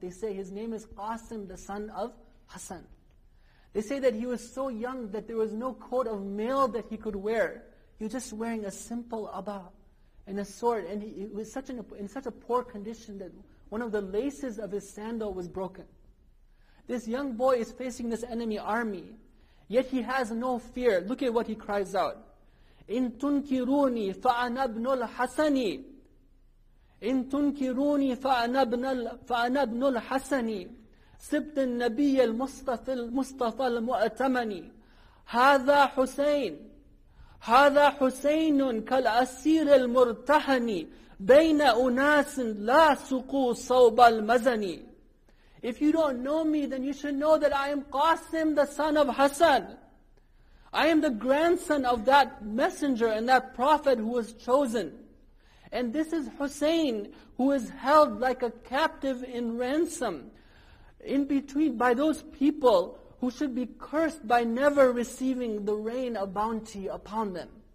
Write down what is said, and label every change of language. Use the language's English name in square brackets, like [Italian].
[English] They say, "His name is Qasim, the son of Hassan." They say that he was so young that there was no coat of mail that he could wear. He was just wearing a simple abba and a sword. And he was in such a poor condition that One of the laces of his sandal was broken. This young boy is facing this enemy army, yet he has no fear. Look at what he cries out. [Arabic] إِن تُنْكِرُونِ فَأَنَا ابْنُ الْحَسَنِ إِن تُنْكِرُونِ فَأَنَا ابْنُ الْحَسَنِ سِبْتَ النَّبِيَّ الْمُصْطَفَى الْمُؤْتَمَنِ هَذَا حُسَيْنٌ هَذَا حُسَيْنٌ كَالْأَسِيرِ الْمُرْتَهَنِ بَيْنَ أُنَاسٍ لَا سُقُوا صَوْبَ الْمَزَنِ [English] If you don't know me, then you should know that I am Qasim, the son of Hassan. I am the grandson of that messenger and that prophet who was chosen. And this is Hussein, who is held like a captive in ransom, in between by those people who should be cursed by never receiving the rain of bounty upon them.